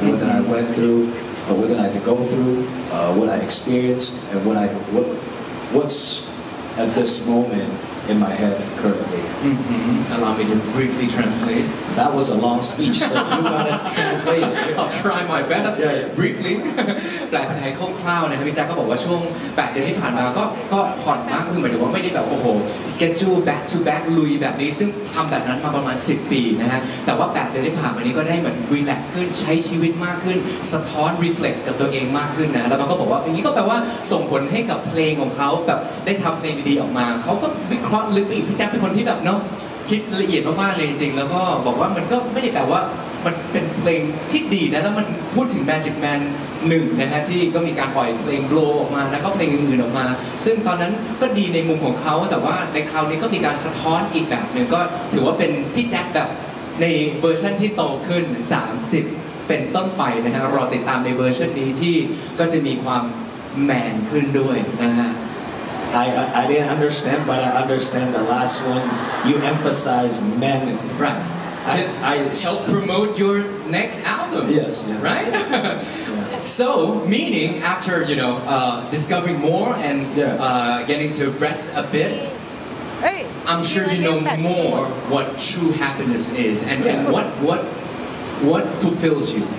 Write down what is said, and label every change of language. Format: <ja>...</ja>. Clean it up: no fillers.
<en>What that I went through, what that I had to go through, what I experienced, and what's at this moment in my head currently. Allow me to briefly translate. That was a long speech, so you gotta translate. I'll try my best, briefly.</en> <th>แปลเป็นไทยคร่าวๆนะครับพี่แจ็คก็บอกว่าช่วง8เดือนที่ผ่านมาก็ผ่อนมากคือหมายถึงว่าไม่ได้แบบโอ้โห</th> <en>schedule back to back</en> <th>ลุยแบบนี้ซึ่งทำแบบนั้นมาประมาณ10ปีนะฮะแต่ว่า8เดือนที่ผ่านมานี้ก็ได้เหมือน relax ขึ้นใช้ชีวิตมากขึ้นสะท้อน reflect กับตัวเองมากขึ้นนะแล้วมันก็บอกว่าอย่างนี้ก็แปลว่าส่งผลให้กับเพลงของเขาแบบได้ทำเพลงดีๆออกมาเขาก็วิเคราะห์ลึกอีกพี่แจ็คเป็นคนที่แบบเนาะ คิดละเอียดมากๆเลยจริงๆแล้วก็บอกว่ามันก็ไม่ได้แปลว่ามันเป็นเพลงที่ดีนะแล้วมันพูดถึง Magic Man 1นะฮะที่ก็มีการปล่อยเพลง Blow ออกมาแล้วก็เพลงอื่นๆออกมาซึ่งตอนนั้นก็ดีในมุมของเขาแต่ว่าในคราวนี้ก็มีการสะท้อนอีกแบบนึงก็ถือว่าเป็นพี่แจ็คแบบในเวอร์ชั่นที่โตขึ้น30เป็นต้นไปนะฮะรอติดตามในเวอร์ชันนี้ที่ก็จะมีความแมนขึ้นด้วยนะฮะ</th> <en>I didn't understand, but I understand the last one. You emphasize men. Right. I help promote your next album. Yes. Yeah. Right? Yeah. So, meaning after, you know, discovering more and getting to rest a bit, I'm sure you know more what true happiness is and, and what fulfills you.</en>